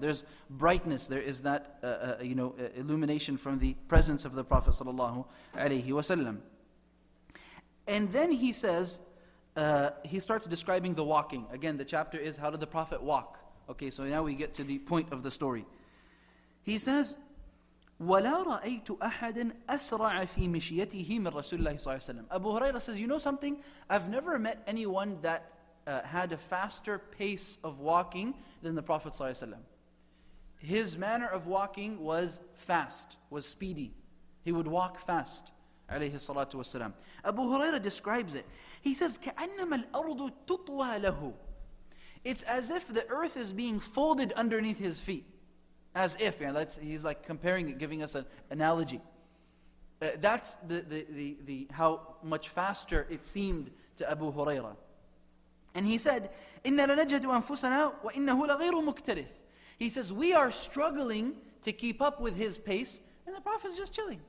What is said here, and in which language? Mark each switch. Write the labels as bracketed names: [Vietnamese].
[English] There's brightness, there is that illumination from the presence of the Prophet [Arabic] sallallahu alayhi wasallam. [English] And then he says, he starts describing the walking. Again, the chapter is, how did the Prophet walk? Okay, so now we get to the point of the story. [Arabic] He says, وَلَا رَأَيْتُ أَحَدًا أَسْرَعَ فِي مِشْيَتِهِ مِنْ رَسُولِ اللَّهِ صَلَى اللَّهِ عَلَيْهِ وَسَلَّمَ. [English] Abu Huraira says, you know something? I've never met anyone that had a faster pace of walking than the Prophet [Arabic] صلى الله عليه وسلم. [English] His manner of walking was fast, was speedy. He would walk fast, [Arabic] عليه الصلاة والسلام. [English] Abu Huraira describes it. [Arabic] He says, كَأَنَّمَا الْأَرْضُ تُطْوَى لَهُ. [English] It's as if the earth is being folded underneath his feet. As if, you know, that's, he's like comparing it, giving us an analogy. That's the how much faster it seemed to Abu Huraira. [Arabic] And he said, إِنَّ لَنَجَدُ أَنفُسَنَا وَإِنَّهُ لَغَيْرُ مُكْتَرِثِ. [English] He says, we are struggling to keep up with his pace, and the Prophet's just chilling.